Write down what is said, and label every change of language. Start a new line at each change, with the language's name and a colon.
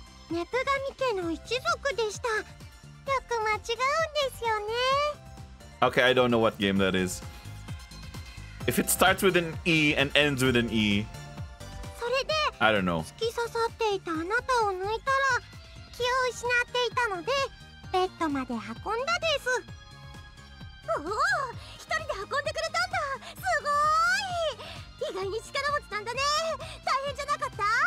Japanese: ネプガミ家の一族でした。よく間違うんですよね。
English: Okay, I don't know what game that is. If it starts with an E and ends with an E.
Japanese: それで、
English: I don't know.
Japanese: 突き刺さっていたあなたを抜いたら気を失っていたのでベッドまで運んだです。おお、一人で運んでくれたんだ。すごい。意外に力持ちなんだね。大変じゃなかった？